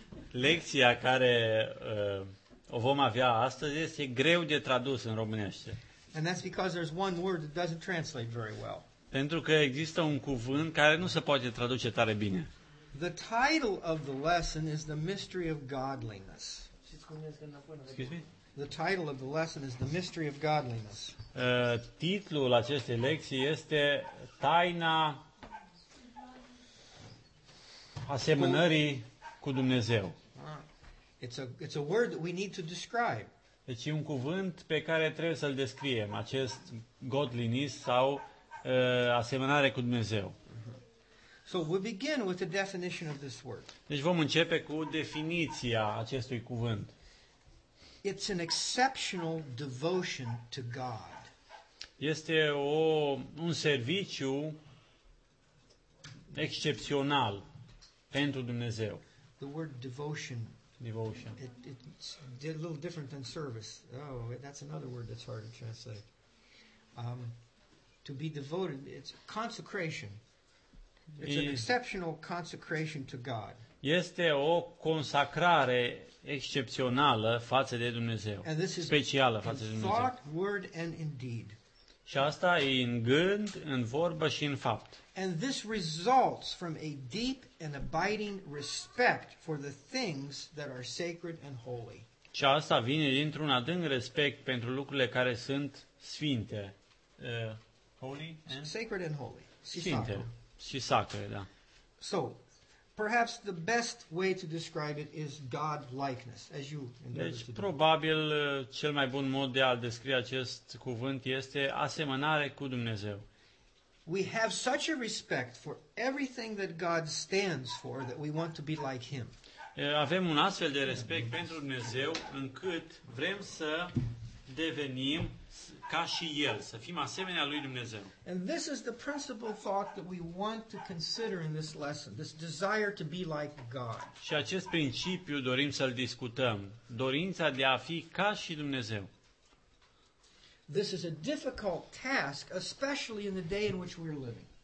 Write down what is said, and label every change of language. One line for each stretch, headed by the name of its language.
Romanian: Lecția care o vom avea astăzi este greu de tradus în românește.
English: And that's because there's one word that doesn't translate very well.
Romanian: Pentru că există un cuvânt care nu se poate traduce tare bine.
English: The title of the lesson is the mystery of godliness. Excuse me? The title of the lesson is the mystery of godliness.
Romanian: Titlul acestei lecții este taina asemănării cu Dumnezeu.
English: It's a word that we need to describe.
Romanian: Deci e un cuvânt pe care trebuie să-l descriem, acest godliness sau asemănare cu Dumnezeu.
English: So we begin with the definition of this word.
Romanian: Deci vom începe cu definiția acestui cuvânt.
English: It's an exceptional devotion to God. Este un serviciu excepțional pentru Dumnezeu. The word devotion. It's a little different than service. Oh, that's another word that's hard to translate. To be devoted, it's consecration. It's an exceptional consecration to God.
Romanian: Este o consacrare excepțională față de Dumnezeu, specială față de Dumnezeu.
English: Thought, word and in deed.
Romanian: Și asta e în gând, în vorbă și în fapt.
English: And this results from a deep and abiding respect for the things that are sacred and holy.
Romanian: Și asta vine dintr-un adânc respect pentru lucrurile care sunt sfinte.
English: Holy and sacred and holy.
Romanian: Sfinte și sacre, da.
English: So perhaps the best way to describe it is God likeness, as you endeavor.
Romanian: Deci probabil cel mai bun mod de a descrie acest cuvânt este asemănare cu Dumnezeu.
English: We have such a respect for everything that God stands for that we want to be like him.
Romanian: Avem un astfel de respect pentru Dumnezeu încât vrem să devenim ca și el, să fim asemenea lui Dumnezeu.
English: And this is the principal thought that we want to consider in this lesson, this desire to be like God.
Romanian: Și acest principiu dorim să-l discutăm, dorința de a fi ca și Dumnezeu.
English: This is a difficult task, especially in the day in which we're living.